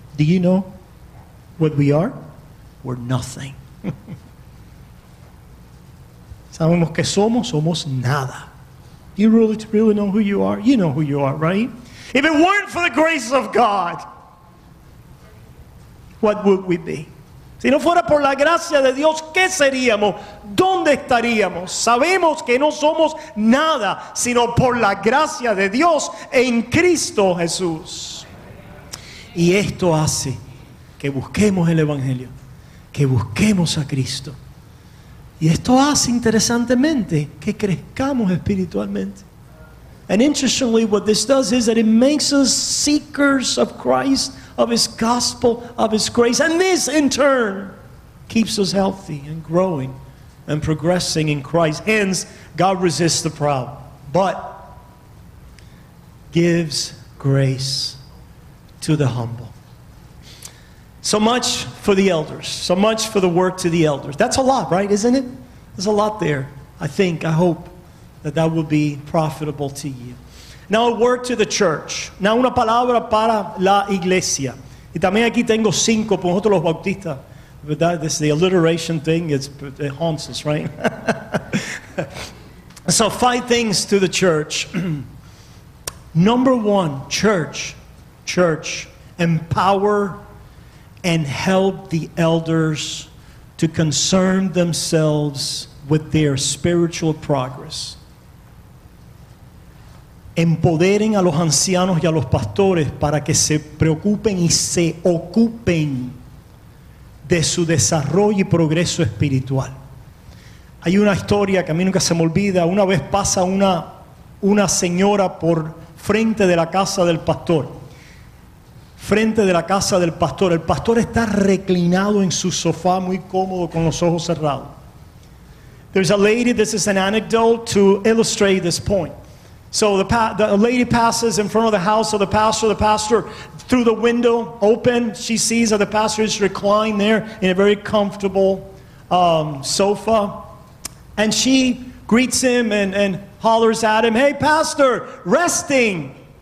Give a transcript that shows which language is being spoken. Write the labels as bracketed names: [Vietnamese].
[English] Do you know what we are? We're nothing. [Spanish] Sabemos que somos nada. [English] You really know who you are? You know who you are, right? If it weren't for the grace of God, what would we be? [Spanish] Si no fuera por la gracia de Dios, ¿qué seríamos? ¿Dónde estaríamos? Sabemos que no somos nada, sino por la gracia de Dios en Cristo Jesús. Y esto hace que busquemos el Evangelio, que busquemos a Cristo. Y esto hace, interesantemente, que crezcamos espiritualmente. [English] And interestingly, what this does is that it makes us seekers of Christ, of His gospel, of His grace. And this, in turn, keeps us healthy and growing and progressing in Christ. Hence, God resists the proud, but gives grace to the humble. So much for the elders. So much for the work to the elders. That's a lot, right? Isn't it? There's a lot there. I hope that will be profitable to you. Now a word to the church. Now [Spanish] una palabra para la iglesia. Y también aquí tengo cinco por nosotros los bautistas. [English] But that is the alliteration thing. It haunts us, right? So 5 things to the church. Number 1, church, empower and help the elders to concern themselves with their spiritual progress. [Spanish] Empoderen a los ancianos y a los pastores para que se preocupen y se ocupen de su desarrollo y progreso espiritual. Hay una historia que a mí nunca se me olvida. Una vez pasa una señora por frente de la casa del pastor. El pastor está reclinado en su sofá, muy cómodo, con los ojos cerrados. [English] There's a lady, this is an anecdote to illustrate this point. So the lady passes in front of the house of the pastor through the window open, she sees that the pastor is reclined there in a very comfortable sofa, and she greets him and hollers at him, "Hey pastor, resting."